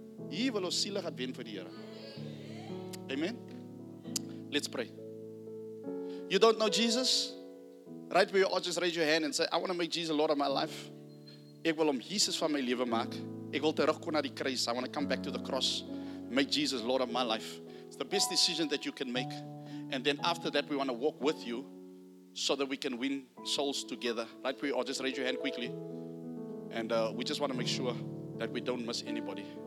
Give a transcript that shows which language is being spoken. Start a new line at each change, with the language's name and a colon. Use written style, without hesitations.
Afrikaans: Hier wil ons siele gaan wen vir die Here.
English: Amen. Let's pray. You don't know Jesus? Right where you are, just raise your hand and say, I want to make Jesus Lord of my life.
Afrikaans: Ek wil om Jesus van my lewe maak. Ek wil terugkom na die kruis.
English: I want to come back to the cross. Make Jesus Lord of my life. It's the best decision that you can make. And then after that, we want to walk with you so that we can win souls together. Right where you are, just raise your hand quickly. And we just want to make sure that we don't miss anybody.